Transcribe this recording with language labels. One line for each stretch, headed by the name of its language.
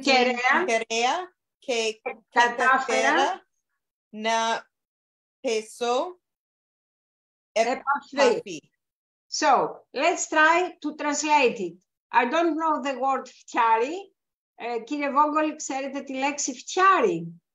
Greek: κεραία και κατάφερα να πιάσω επαφή.
English: So, let's try to translate it. I don't know the word φτιάρι.
Greek: Κύριε Βόγκολη, ξέρετε τη λέξη φτιάρι?